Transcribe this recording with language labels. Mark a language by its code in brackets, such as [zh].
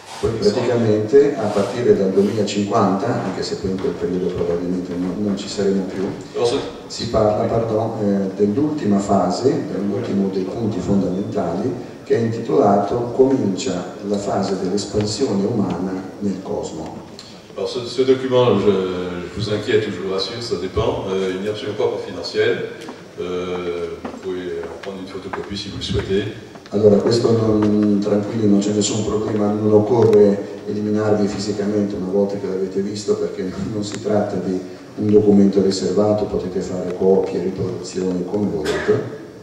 [it] Poi praticamente a partire dal 2050, anche se poi in quel periodo probabilmente non ci saremo più, si parla, dell'ultima fase, dell'ultimo dei punti fondamentali, che è intitolato comincia la fase dell'espansione umana nel cosmo. [fr] Alors ce document, je vous inquiète ou je vous rassure, ça dépend, il n'est absolument pas confidentiel, vous pouvez en prendre une photocopie si vous le souhaitez. [it] Allora, questo tranquilli, non c'è nessun problema, non occorre eliminarvi fisicamente una volta che l'avete visto, perché non si tratta di un documento riservato, potete fare copie, riproduzioni, come volete.